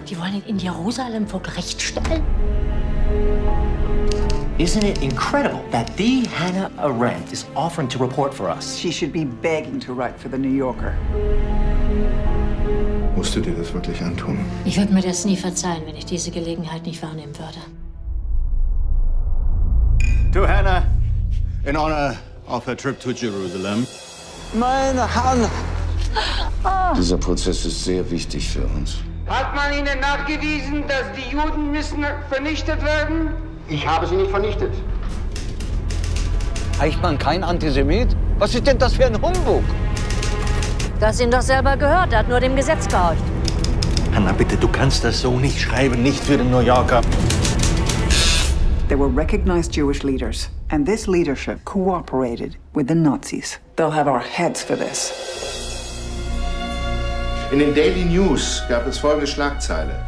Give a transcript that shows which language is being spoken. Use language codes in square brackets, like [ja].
[de] Die wollen ihn in Jerusalem vor Gericht stellen. [en] Isn't it incredible that the Hannah Arendt is offering to report for us? She should be begging to write for the New Yorker. [de] Musst du dir das wirklich antun? Ich würde mir das nie verzeihen, wenn ich diese Gelegenheit nicht wahrnehmen würde. [en] To Hannah, in honor of her trip to Jerusalem. [de] Meine Hannah! Dieser Prozess ist sehr wichtig für uns. Hat man Ihnen nachgewiesen, dass die Juden müssen vernichtet werden? Ich habe sie nicht vernichtet. Eichmann, kein Antisemit? Was ist denn das für ein Humbug? Du hast ihn doch selber gehört, er hat nur dem Gesetz gehorcht. Hannah, bitte, du kannst das so nicht schreiben, nicht für den New Yorker. [en] There were recognized Jewish leaders, and this leadership cooperated with the Nazis. They'll have our heads for this. [de] In den Daily News gab es folgende Schlagzeile.